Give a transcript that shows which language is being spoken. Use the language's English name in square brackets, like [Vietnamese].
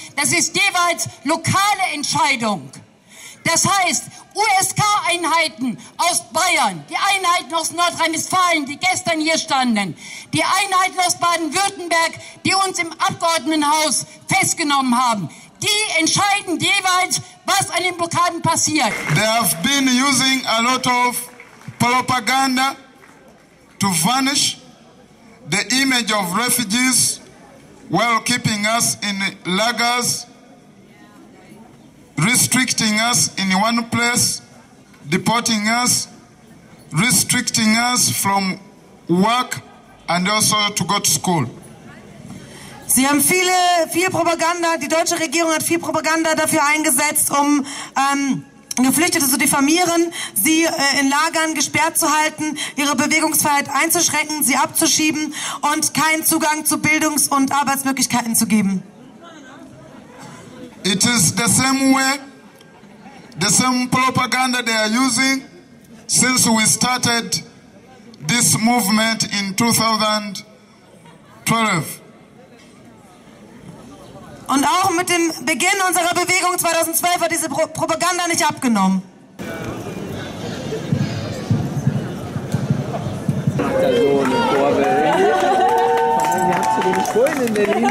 [German] Das ist jeweils lokale Entscheidung. Das heißt, USK-Einheiten aus Bayern, die Einheiten aus Nordrhein-Westfalen, die gestern hier standen, die Einheiten aus Baden-Württemberg, die uns im Abgeordnetenhaus festgenommen haben, die entscheiden jeweils, was an den Blockaden passiert. [English] They have been using a lot of propaganda to vanish the image of refugees while keeping us in lagers, restricting us in one place, deporting us, restricting us from work and also to go to school. [German] Sie haben viel Propaganda, die deutsche Regierung hat viel Propaganda dafür eingesetzt, um Geflüchtete zu diffamieren, sie in Lagern gesperrt zu halten, ihre Bewegungsfreiheit einzuschränken, sie abzuschieben und keinen Zugang zu Bildungs- und Arbeitsmöglichkeiten zu geben. [English] It is the same way, the same propaganda they are using since we started this movement in 2012. [German] Und auch mit dem Beginn unserer Bewegung 2012 hat diese Propaganda nicht abgenommen. Macht er so eine Vorwelle. Wir haben zu den Bullen in Berlin.